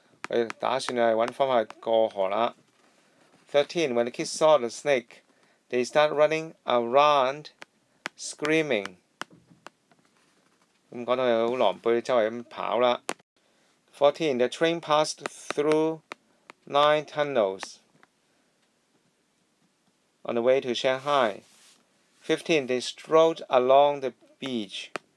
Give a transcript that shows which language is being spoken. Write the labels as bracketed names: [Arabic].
[Cantonese] 我們打算要找方法過河啦。 [English] 13, when the kids saw the snake, they started running around, screaming. [Cantonese] 咁講到有好狼狽，周圍咁跑啦。 [English] 14, the train passed through 9 tunnels. On the way to Shanghai. 15, they strolled along the beach.